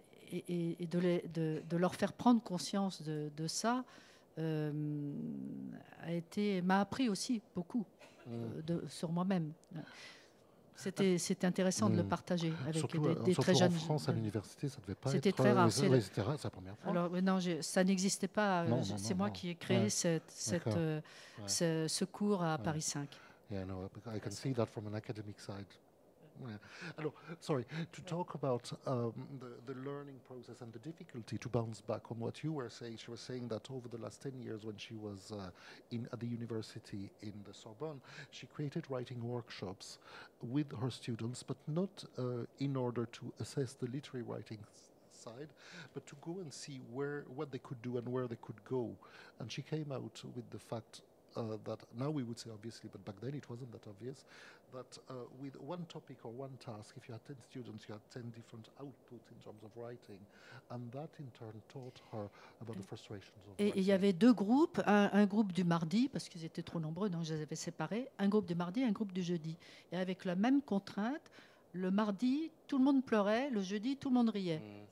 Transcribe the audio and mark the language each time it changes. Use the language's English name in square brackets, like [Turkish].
[French] Et de leur faire prendre conscience de ça m'a appris aussi beaucoup sur moi-même. C'était intéressant de le partager avec très jeunes. Surtout en France, à l'université, ça ne devait pas c'était être... C'était très rare. C'est la première fois. Alors, non, ça n'existait pas. C'est moi qui ai créé ce cours à Paris 5. [English] Yeah, no, I can see that from an academic side. Alors, sorry, to talk about the learning process and the difficulty to bounce back on what you were saying. She was saying that over the last 10 years when she was at the university in the Sorbonne, she created writing workshops with her students, but not in order to assess the literary writing side, but to go and see what they could do and where they could go. And she came out with the fact that now we would say obviously, but back then it wasn't that obvious, that with one topic or one task, if you had 10 students, you had 10 different outputs in terms of writing. And that in turn taught her about the frustrations of writing. [French] Et il y avait deux groupes, un groupe du mardi, parce qu'ils étaient trop nombreux, donc je les avais séparés, un groupe du mardi, un groupe du jeudi. Et avec la même contrainte, le mardi, tout le monde pleurait, le jeudi, tout le monde riait.